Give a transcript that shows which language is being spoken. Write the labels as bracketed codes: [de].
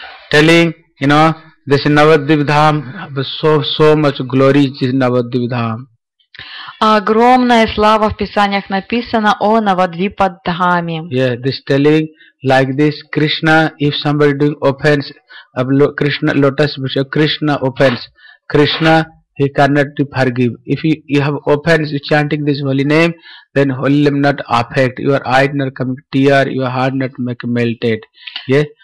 [en] Telling, you know, this Navadvip Dham, so much glory is Navadvip Dham. [ru] Огромная слава в писаниях написана о Навадвипа Дхаме. [en] Yeah, this telling, like this, Krishna, if somebody doing offense, Krishna, lotus, Krishna offense, Krishna, He cannot forgive. If you have offense chanting this holy name, then holy name not affect. Your eyes not coming tear, your heart not make melted. Yeah?